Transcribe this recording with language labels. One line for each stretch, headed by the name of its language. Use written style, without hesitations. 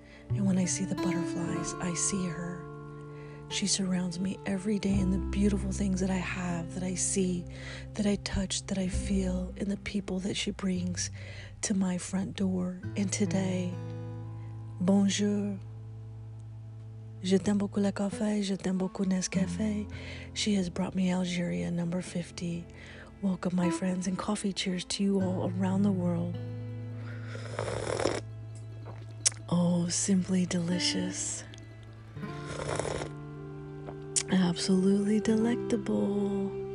English: And when I see the butterflies, I see her. She surrounds me every day in the beautiful things that I have, that I see, that I touch, that I feel, in the people that she brings to my front door. And today, bonjour.
French: Je t'aime beaucoup le café, je t'aime beaucoup Nescafé.
English: She has brought me Algeria number 50. Welcome, my friends, and coffee cheers to you all around the world. Oh, simply delicious. Absolutely delectable.